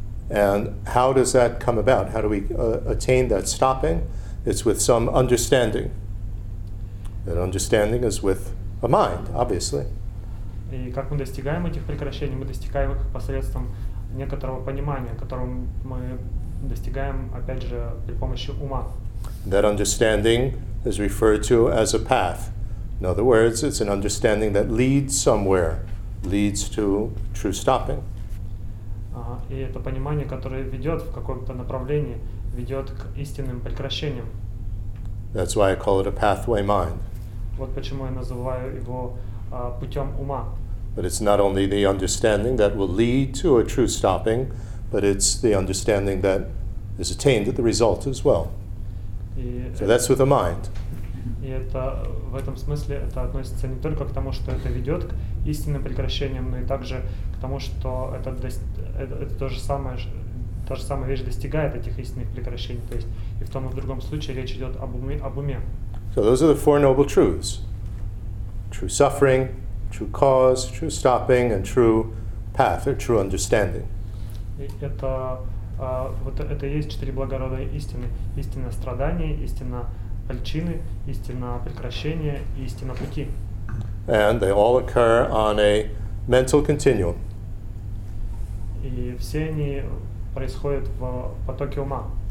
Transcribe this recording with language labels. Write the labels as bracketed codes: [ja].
[en] And how does that come about? How do we attain that stopping? It's with some understanding. That understanding is with a mind, obviously. [ru] И как мы достигаем этих прекращений? Мы достигаем их посредством некоторого понимания, которого мы достигаем, опять же, при помощи ума. [en] That understanding is referred to as a path. In other words, it's an understanding that leads somewhere, leads to true stopping. [ru] И это понимание, которое ведет в каком-то направлении, ведет к истинным прекращениям. [en] That's why I call it a pathway mind. [ru] Вот почему я называю его путем ума. [en] But it's not only the understanding that will lead to a true stopping, but it's the understanding that is attained at the result as well. So that's with the mind. [ru] И это в этом смысле это относится не только к тому, что это ведет к истинным прекращениям, но и также к тому, что это та же самая вещь достигает этих истинных прекращений, то есть и в том и в другом случае речь идет об уме. [en] So those are the four noble truths: true suffering, true cause, true stopping, and true path or true understanding. [ru] И это вот это есть четыре благородные истины: истина страдания, истина причины, истина прекращения и истина пути. [en] And they all occur on a mental continuum. [ru] И все они происходят в потоке ума.